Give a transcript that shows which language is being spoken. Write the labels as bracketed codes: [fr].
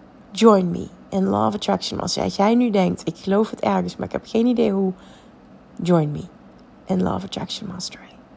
[en] Join me in Law of Attraction. [nl] Als jij nu denkt, ik geloof het ergens, maar ik heb geen idee hoe. [en] Join me in Law of Attraction Mastery.